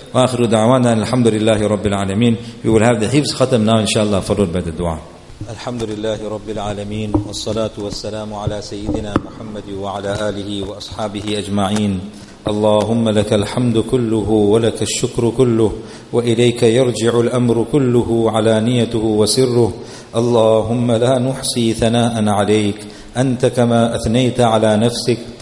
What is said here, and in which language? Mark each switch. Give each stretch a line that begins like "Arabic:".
Arabic: وآخر دعوانا الحمد لله رب العالمين.
English: We will have the hifz khatam now, inshallah, followed by the dua.
Arabic: الحمد لله رب العالمين والصلاة والسلام على سيدنا محمد وعلى آله وأصحابه أجمعين. اللهم لك الحمد كله ولك الشكر كله وإليك يرجع الأمر كله علانيته وسره. اللهم لا نحصي ثناء عليك، أنت كما أثنيت على نفسك.